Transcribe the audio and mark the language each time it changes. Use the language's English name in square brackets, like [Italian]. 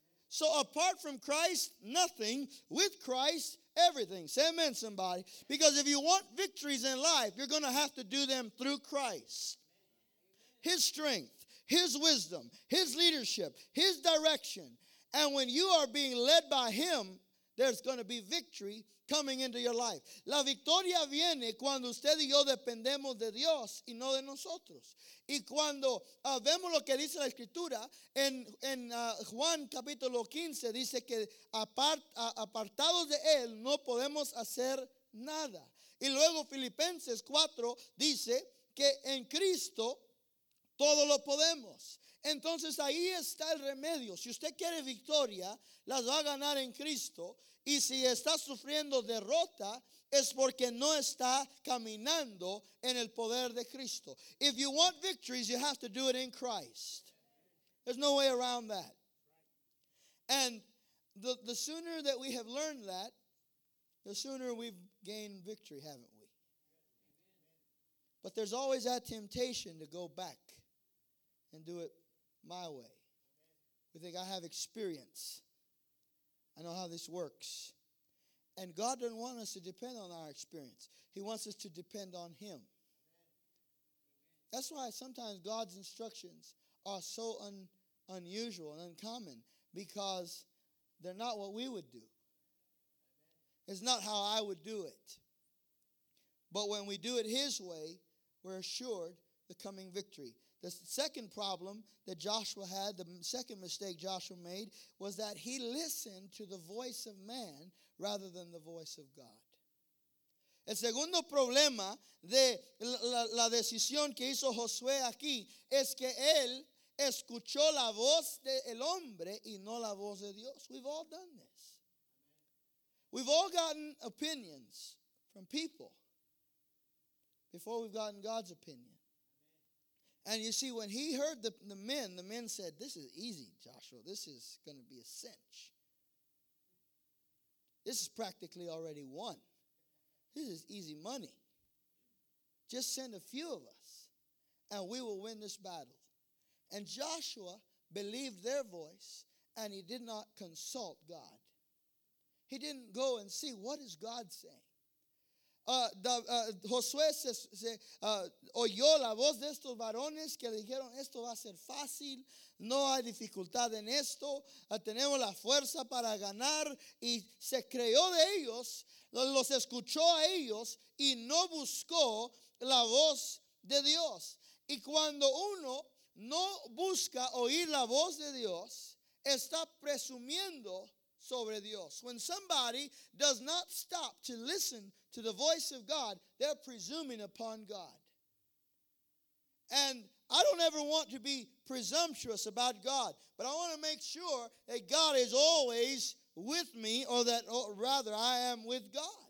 [English] So apart from Christ, nothing. With Christ, everything. Say amen, somebody. Because if you want victories in life, you're going to have to do them through Christ. His strength, his wisdom, his leadership, his direction. And when you are being led by him, there's going to be victory coming into your life. [Spanish] La victoria viene cuando usted y yo dependemos de Dios y no de nosotros. Y cuando vemos lo que dice la Escritura, en Juan capítulo 15 dice que apartados de él no podemos hacer nada. Y luego Filipenses 4 dice que en Cristo todo lo podemos. Entonces ahí está el remedio. Si usted quiere victoria, las va a ganar en Cristo. Y si está sufriendo derrota, es porque no está caminando en el poder de Cristo. [English] If you want victories, you have to do it in Christ. There's no way around that. And the sooner that we have learned that, the sooner we've gained victory, haven't we? But there's always that temptation to go back and do it my way. We think, I have experience. I know how this works. And God doesn't want us to depend on our experience. He wants us to depend on him. That's why sometimes God's instructions are so unusual and uncommon, because they're not what we would do. It's not how I would do it. But when we do it his way, we're assured the coming victory. The second problem that Joshua had, the second mistake Joshua made, was that he listened to the voice of man rather than the voice of God. [Spanish] El segundo problema de la decisión que hizo Josué aquí es que él escuchó la voz del hombre y no la voz de Dios. [English] We've all done this. We've all gotten opinions from people before we've gotten God's opinion. And you see, when he heard the men said, this is easy, Joshua. This is going to be a cinch. This is practically already won. This is easy money. Just send a few of us, and we will win this battle. And Joshua believed their voice, and he did not consult God. He didn't go and see, what is God saying? [Spanish] Josué oyó la voz de estos varones que le dijeron, esto va a ser fácil, no hay dificultad en esto, tenemos la fuerza para ganar, y se creyó de ellos, los escuchó a ellos, y no buscó la voz de Dios. Y cuando uno no busca oír la voz de Dios, está presumiendo sobre Dios. [English] When somebody does not stop to listen to the voice of God, they're presuming upon God. And I don't ever want to be presumptuous about God, but I want to make sure that God is always with me, or that, or rather, I am with God.